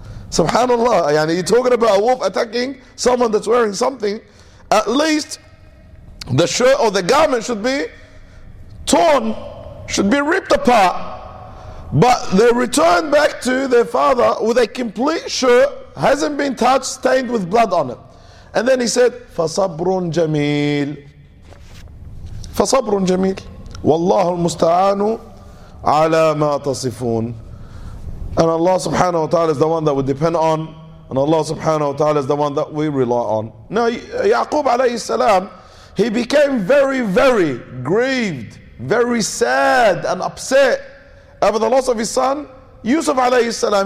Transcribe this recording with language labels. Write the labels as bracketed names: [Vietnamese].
[English] SubhanAllah, yani, you're talking about a wolf attacking someone that's wearing something. At least the shirt or the garment should be torn, should be ripped apart. But they return back to their father with a complete shirt, hasn't been touched, stained with blood on it. And then he said, [Arabic] فَصَبْرٌ جَمِيلٌ فَصَبْرٌ جَمِيلٌ وَاللَّهُ الْمُسْتَعَانُ عَلَى مَا تَصِفُونَ. [English] And Allah subhanahu wa ta'ala is the one that we depend on, and Allah subhanahu wa ta'ala is the one that we rely on. Now Yaqub alayhi salam, he became very, very grieved, very sad and upset over the loss of his son, Yusuf alayhi salam.